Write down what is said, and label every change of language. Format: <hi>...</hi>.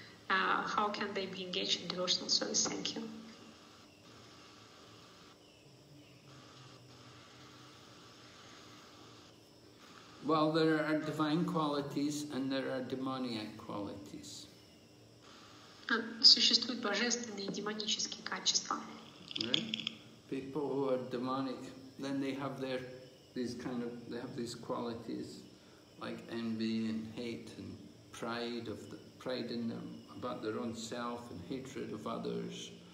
<en>How can they be engaged in devotional service? Thank you. Well, there are divine qualities and there are demoniac qualities.</en> <ru>Существуют божественные и демонические качества.</ru> <en>Right? People who are demonic, then they have their these kind of they have these qualities like envy and hate and pride of the pride in them about their own self and hatred of others.</en>